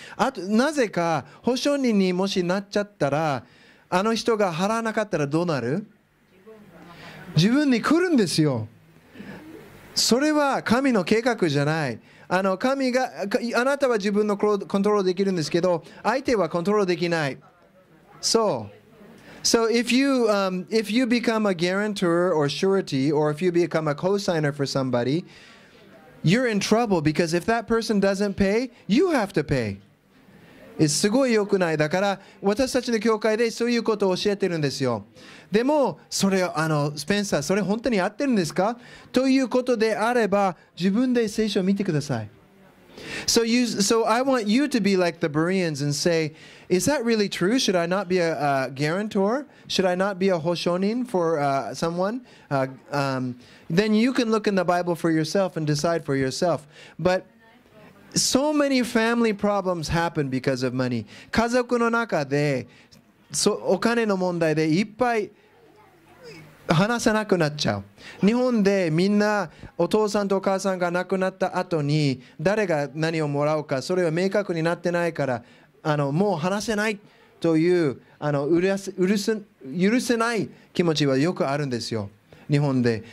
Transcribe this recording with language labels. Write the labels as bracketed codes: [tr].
[ja] あと、なぜか保証人にもしなっちゃったら、あの人が払わなかったらどうなる？自分に来るんですよ。それは神の計画じゃない。あの、神が、あなたは自分のコントロールできるんですけど、相手はコントロールできない。 [en] So, if you become a guarantor or surety, or if you become a co-signer for somebody, you're in trouble because if that person doesn't pay, you have to pay. [ja] It's すごい良くない。だから私たちの教会でそういうことを教えてるんですよ。でもそれ、あの、スペンサー、それ本当に合ってるんですか？ということであれば自分で聖書を見てください。 [en] So I want you to be like the Bereans and say, is that really true? Should I not be a guarantor? Should I not be a hoshonin for someone? Then you can look in the Bible for yourself and decide for yourself. But so many family problems happen because of money. [ja] 家族の中で、そ、お金の問題でいっぱい話さなくなっちゃう。日本でみんなお父さんとお母さんが亡くなった後に誰が何をもらうか、それは明確になってないから、あの、もう話せないという、あの、許せない気持ちはよくあるんですよ、日本で。